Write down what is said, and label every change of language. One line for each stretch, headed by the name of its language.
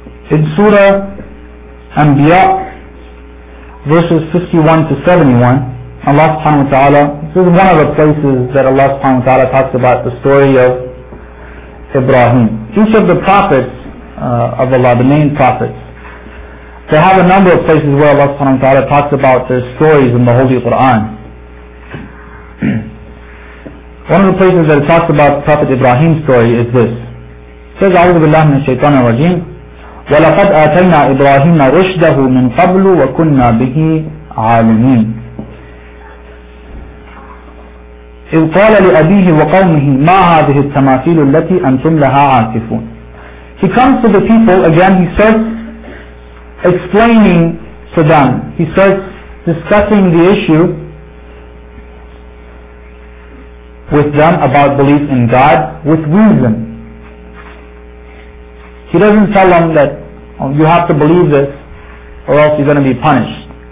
English: In Surah Anbiya, verses 51-71, Allah subhanahu wa ta'ala, this is one of the places that Allah subhanahu wa ta'ala talks about the story of Ibrahim. Each of the prophets of Allah, the main prophets, they have a number of places where Allah subhanahu wa ta'ala talks about their stories in the Holy Quran. One of the places that it talks about Prophet Ibrahim's story is this. It says,
Arabic: أعوذ بالله من الشيطان الرجيم وَلَقَدْ آتَيْنَا إِبْرَاهِيمَ رُشْدَهُ مِنْ قَبْلُ وَكُنَّا بِهِ عَالِمِينَ إِذْ قَالَ لِأَبِيهِ وَقَوْمِهِ مَا هَذِهِ التَّمَاثِيلُ الَّتِي أَنْتُمْ لَهَا عَاكِفُونَ
English: He comes to the people, again he starts explaining to them. He starts discussing the issue with them about belief in God with reason. He doesn't tell them that you have to believe this or else you're going to be punished.